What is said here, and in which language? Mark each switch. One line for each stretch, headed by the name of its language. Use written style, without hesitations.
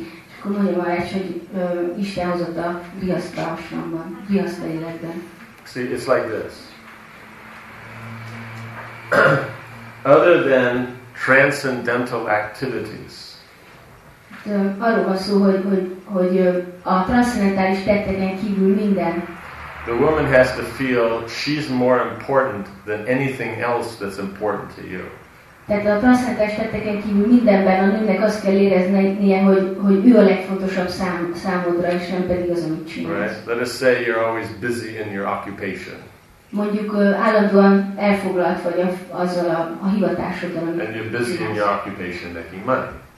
Hungarian: És akkor mondjam arra, hogy Isten hozott a Grihasta asramban, Grihasta életben.
English: See, it's like this. Other than transcendental activities,
Hungarian: arról van szó, hogy hogy a transzcendentális tetteken kívül minden.
English: The woman has to feel she's more important than anything else that's important to you.
Hungarian: Tehát a transzcendentális tetteken kívül mindenben a nőnek azt kell éreznie, hogy ő a legfontosabb számodra, és nem pedig az, amit csinálsz.
English: Right. Let us say you're always busy in your occupation.
Hungarian: Mondjuk állandóan elfoglalt vagy azzal a hivatásoddal.
English: And you're busy in your occupation making money.